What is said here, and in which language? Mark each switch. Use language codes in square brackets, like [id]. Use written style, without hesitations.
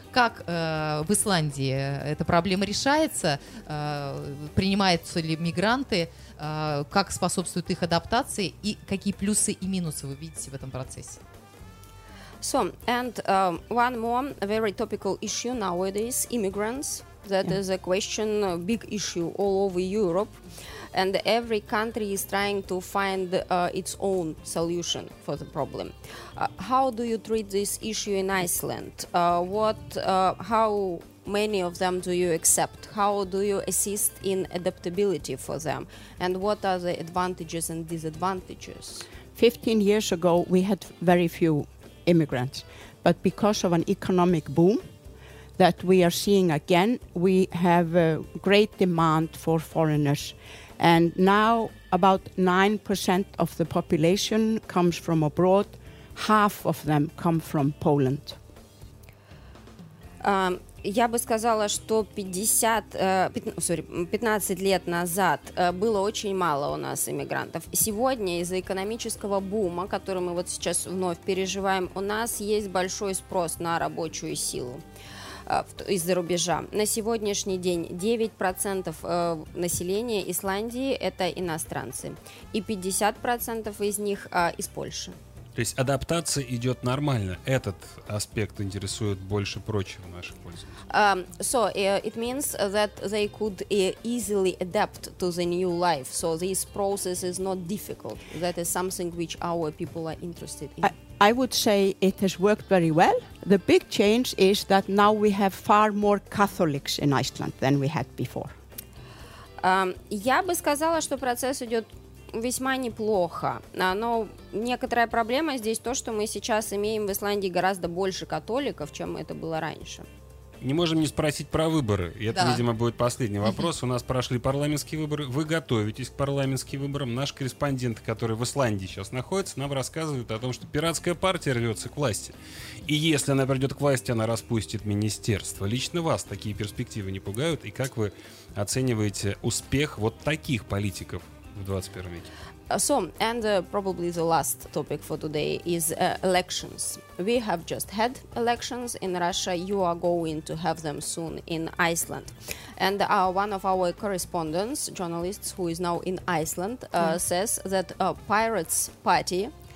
[ru] Как в Исландии эта проблема решается, принимаются ли мигранты, как способствует их адаптации и какие плюсы и минусы вы видите в этом процессе? [en] So, and one more very topical issue nowadays, immigrants. That is a question, a big issue all over Europe. And every country is trying to find its own solution for the problem. How do you treat this issue in Iceland? How many of them do you accept? How do you assist in adaptability for them? And what are the advantages and disadvantages? 15 years ago, we had very few immigrants. But because of an economic boom that we are seeing again, we have a great demand for foreigners. And now about 9% of the population comes from abroad. Half of them come from Poland. [ru] Я бы сказала, что 15 лет назад было очень мало у нас иммигрантов. Сегодня из-за экономического бума, который мы вот сейчас вновь переживаем, у нас есть большой спрос на рабочую силу из-за рубежа. На сегодняшний день 9% населения Исландии – это иностранцы, и 50% из них из Польши. То есть адаптация идет нормально. Этот аспект интересует больше прочего наших пользователей. [en] So it means that they could easily adapt to the new life. So this process is not difficult. That is something which our people are interested in. I would say it has worked very well. The big change is that now we have far more Catholics in Iceland than we had before. [ru] Я бы сказала, что процесс идет весьма неплохо, но некоторая проблема здесь то, что мы сейчас имеем в Исландии гораздо больше католиков, чем это было раньше. Не можем не спросить про выборы. И это, видимо, будет последний вопрос. У нас прошли парламентские выборы. Вы готовитесь к парламентским выборам. Наш корреспондент, который в Исландии сейчас находится, нам рассказывает о том, что пиратская партия рвется к власти. И если она придет к власти, она распустит министерство. Лично вас такие перспективы не пугают? И как вы оцениваете успех вот таких политиков в 21 веке? [en] So, and probably the last topic for today is elections. We have just had elections in Russia. You are going to have them soon in Iceland. And one of our correspondents, journalists, who is now in Iceland, says that Pirates Party